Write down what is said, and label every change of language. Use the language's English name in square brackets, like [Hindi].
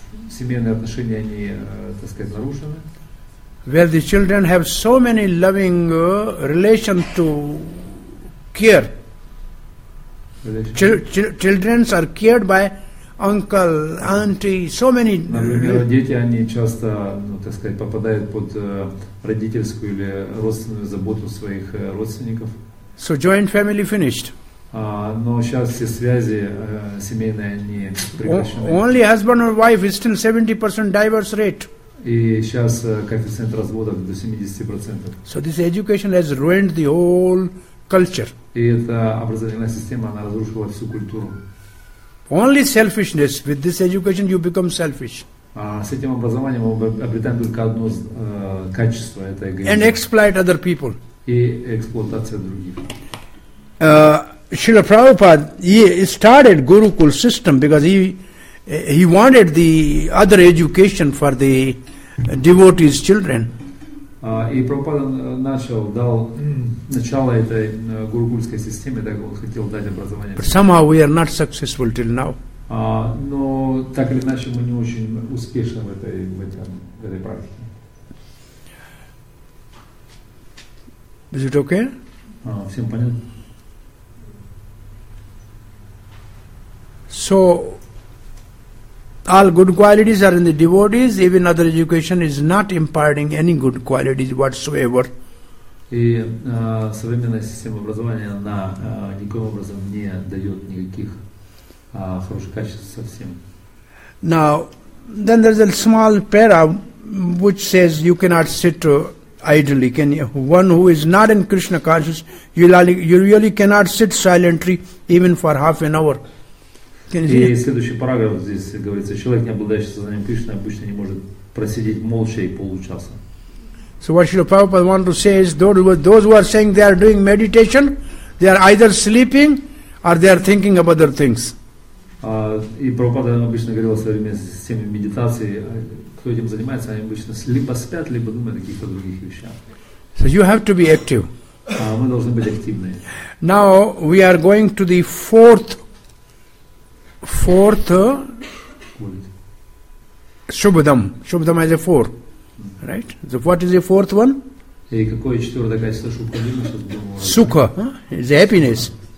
[Russian] Семейные отношения, они, так сказать, нарушены. [English] Where the children have so many loving relations to care. Children are cared by uncle, auntie, so many. [Russian] Например, дети, они часто, ну, так сказать, попадают под родительскую или родственную заботу своих родственников. [English] So joint family finished. [Russian] Но сейчас все связи семейные, они прекращены. [English] Only husband and wife is still 70% divorce rate. [Russian] И сейчас коэффициент разводов до 70%. [English] So this education has ruined the whole culture. [Russian] И эта образовательная система, она разрушила всю культуру. [English] Only selfishness. With this education you become selfish. [Russian] С этим образованием мы обретаем только одно качество, это эгоизм. [English] And exploit other people. [Russian] И эксплуатация других. [English] Srila Prabhupada, he started Gurukul system because he wanted the other education for the devotees' children. [Russian] И Прабхупада начал, дал начало этой гурукульской системе, так он хотел дать образование. [English] But somehow we are not successful till now. [Russian] Но так или иначе мы не очень успешны в этой практике. [English] Is it okay? [Russian] Всем понятно? [English] So, all good qualities are in the devotees, even other education is not imparting any good qualities whatsoever. [Russian] И современная система образования, она никоим образом не дает никаких хороших качеств совсем. [English] Now, then there's a small para which says you cannot sit idly, can you? One who is not in Krishna consciousness, you really cannot sit silently even for half an hour. [Russian] И следующий параграф здесь говорится, человек, не обладающий сознанием Кришны, обычно не может просидеть молча и полчаса. [English] So what Srila Prabhupada want to say is, those who are saying they are doing meditation, they are either sleeping or they are thinking of other things. [Russian] И Прабхупада обычно говорил о современной системе медитации, кто этим занимается, они обычно либо спят, либо думают о каких-то других вещах. [English] So you have to be active. [Russian] Мы должны быть активны. [English] Now we are going to the fourth Shubhadam. Shubhadam has a four. Right? So what is the fourth one? Sukha. Is happiness.